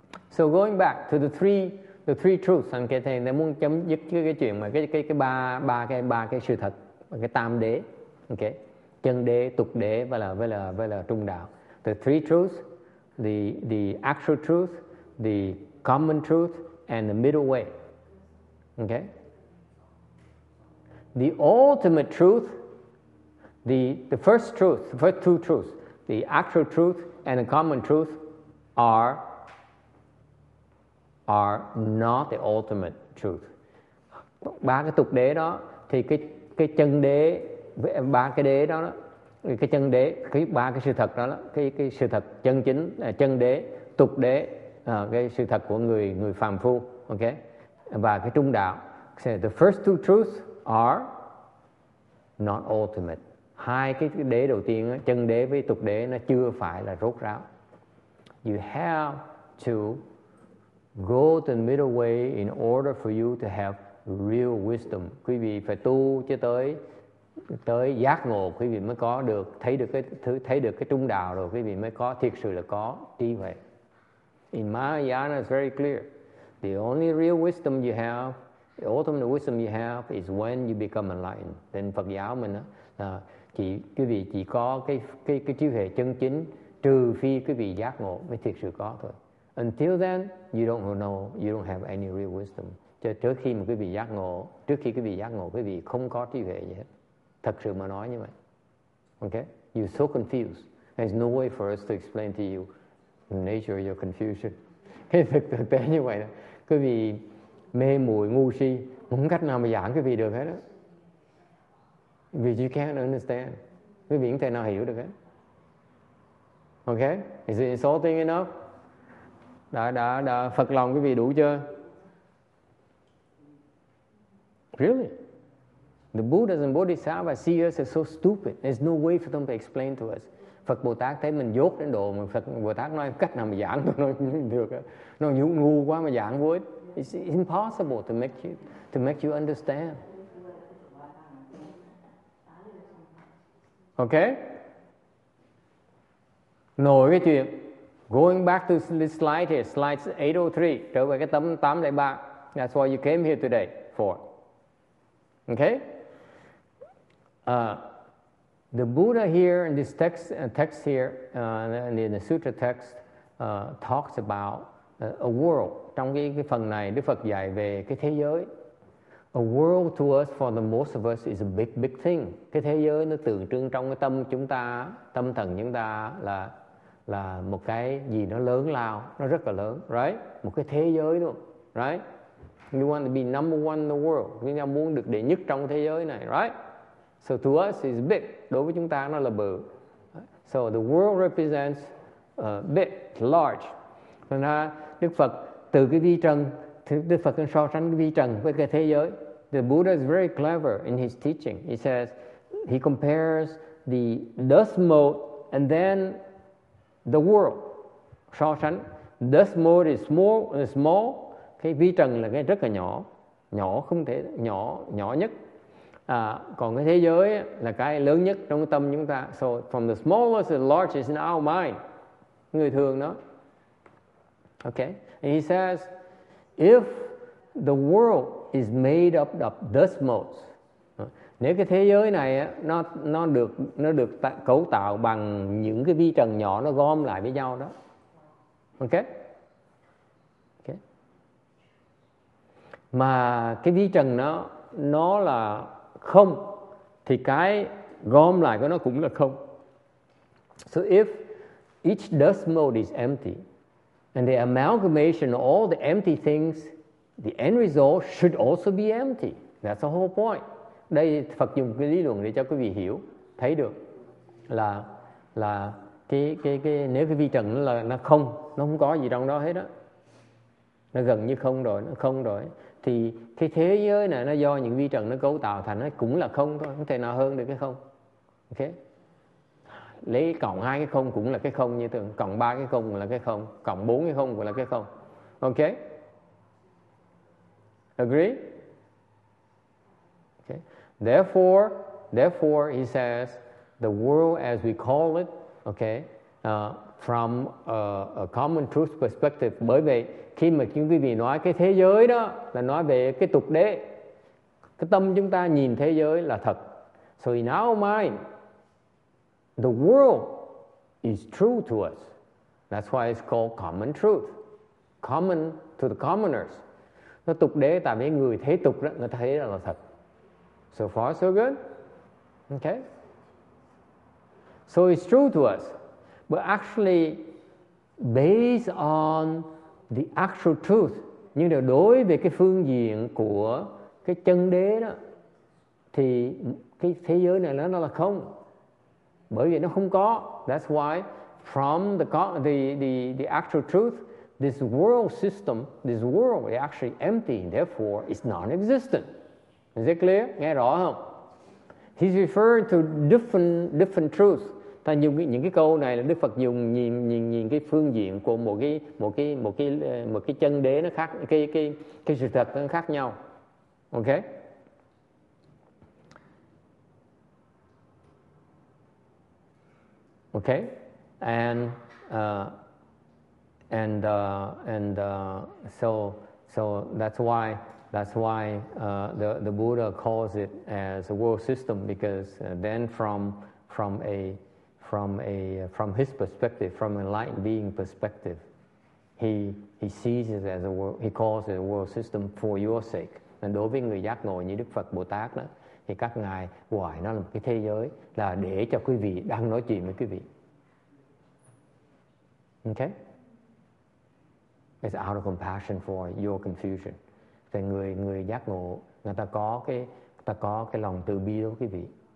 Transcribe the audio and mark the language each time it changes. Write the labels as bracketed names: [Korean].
[English] So going back to the three truths, [Vietnamese] anh kể thêm, để muốn chấm dứt cái chuyện mà cái ba cái sự thật, cái tam đế, okay, chân đế, tục đế và là trung đạo. [English] The three truths, the actual truth, the common truth, and the middle way. Okay. The ultimate truth, the first truth, the first two truths, the actual truth and the common truth, are not the ultimate truth. [Vietnamese] Ba cái tục đế đó thì cái chân đế, ba cái đế đó, cái chân đế, cái ba cái sự thật đó, cái sự thật chân chính, chân đế, tục đế, cái sự thật của người phàm phu, ok, và cái trung đạo. [English] So the first two truths are not ultimate. [Vietnamese] Hai cái đế đầu tiên, chân đế với tục đế, nó chưa phải là rốt ráo. [English] You have to go to the middle way in order for you to have real wisdom. [Vietnamese] Quý vị phải tu cho tới giác ngộ, quý vị mới có được, thấy được cái trung đạo rồi, quý vị mới có thiệt sự là có trí huệ. [English] In Mahayana it's very clear. The only real wisdom you have, the ultimate wisdom you have is when you become enlightened. [Vietnamese] Then Phật giáo mình đó, quý vị chỉ có cái trí huệ chân chính trừ phi quý vị giác ngộ mới thiệt sự có thôi. [English] Until then, you don't know, you don't have any real wisdom. [Vietnamese] Cho trước khi mà quý vị giác ngộ, quý vị không có trí huệ gì hết. Thật sự mà nói như vậy. Okay? [English] You're so confused. There's no way for us to explain to you the nature of your confusion. [Vietnamese] Thực tế như vậy đó. Quý vị mê muội ngu si, không cách nào mà giảng quý vị được hết đó. [English] Because you can't understand. [Vietnamese] Quý vị không thể nào hiểu được hết. Okay? [English] Is it insulting enough? [Vietnamese] Đã Phật lòng quý vị đủ chưa? [English] Really? The Buddhas and Bodhisattvas see us as so stupid. There's no way for them to explain to us. [Vietnamese] Phật Bồ Tát thấy mình dốt đến độ mà Phật Bồ Tát nói cách nào mà giảng tôi nói được. Nó ngu quá mà giảng với. [English] It's impossible to make you understand. Okay? [Vietnamese] Nổi cái chuyện. [English] Going back to this slide here, slide 803, [Vietnamese] trở về cái tấm 803. [English] That's why you came here today for. Okay? The Buddha here in this text here, in the sutra text, talks about a world. [Vietnamese] Trong cái phần này, Đức Phật dạy về cái thế giới. [English] A world to us, for the most of us, is a big, big thing. [Vietnamese] Cái thế giới nó tượng trưng trong cái tâm chúng ta, tâm thần chúng ta là một cái gì nó lớn lao, nó rất là lớn, right? Một cái thế giới luôn, right? [English] You want to be number one in the world. [Vietnamese] Chúng ta muốn được đệ nhất trong thế giới này, right? [English] So to us it's big. [Vietnamese] Đối với chúng ta nó là bự. [English] So the world represents big, large. [Vietnamese] Thế nên Đức Phật từ cái vi trần, Đức Phật so sánh cái vi trần với cái thế giới. [English] The Buddha is very clever in his teaching. He says he compares the dust mote and then the world. [Vietnamese] So sánh [English] dust mote is small, [Vietnamese] cái vi trần là cái rất là nhỏ, nhỏ không thể nhỏ nhỏ nhất. Còn cái thế giới là cái lớn nhất trong tâm chúng ta. [English] So from the smallest to the largest in our mind, [Vietnamese] người thường đó. [English] Okay, and he says, if the world is made up of dust motes, [Vietnamese] nếu cái thế giới này nó được cấu tạo bằng những cái vi trần nhỏ nó gom lại với nhau đó. Okay. Okay. Mà cái vi trần nó là không, thì cái gom lại của nó cũng là không. [English] So if each dust mote is empty, And the amalgamation of all the empty things, the end result should also be empty. That's the whole point. [Vietnamese] Đây Phật dùng cái lý luận để cho quý vị hiểu, thấy được là cái nếu cái vi trần là nó không, nó không có gì trong đó hết đó. Nó gần như không rồi, nó không rồi. Thì cái thế giới này nó do những vi trần nó cấu tạo thành, nó cũng là không thôi, không thể nào hơn được cái không. Ok. Lấy cộng 2 cái không cũng là cái không như thường, cộng 3 cái không cũng là cái không, cộng 4 cái không cũng là cái không. Ok. [English] Agree? Okay. Therefore, he says, the world as we call it, okay, from a common truth perspective, [Vietnamese] bởi vậy khi mà chúng quý vị nói cái thế giới đó là nói về cái tục đế, cái tâm chúng ta nhìn thế giới là thật. [English] So in our mind, the world is true to us. That's why it's called common truth, common to the commoners. [Vietnamese] Nó tục đế tại vì người thế tục đó, người ta thấy là thật. [English] So far, so good. Okay. So it's true to us. But actually, based on the actual truth, [Vietnamese] nhưng mà đối với cái phương diện của cái chân đế đó, thì cái thế giới này nó là không. Bởi vì nó không có. [English] That's why from the actual truth, this world system, this world is actually empty, therefore it's non-existent. Is it clear? [Vietnamese] Nghe rõ không? [English] He's referring to different truths. [Vietnamese] Ta dùng những cái câu này là Đức Phật dùng nhìn cái phương diện của một cái chân đế nó khác, cái sự thật nó khác nhau. [English] Ok? Ok? And so that's why the Buddha calls it as a world system, because then from his perspective, from enlightened being perspective, he sees it as a world, he calls it a world system for your sake. [Vietnamese] And đối với người giác ngộ như Đức Phật Bồ Tát đó, thì các ngài gọi nó là một cái thế giới là để cho quý vị đang nói chuyện với quý vị. [English] Okay? It's out of compassion for your confusion. [Vietnamese] Thì người giác ngộ người ta có cái lòng từ bi đối với quý vị.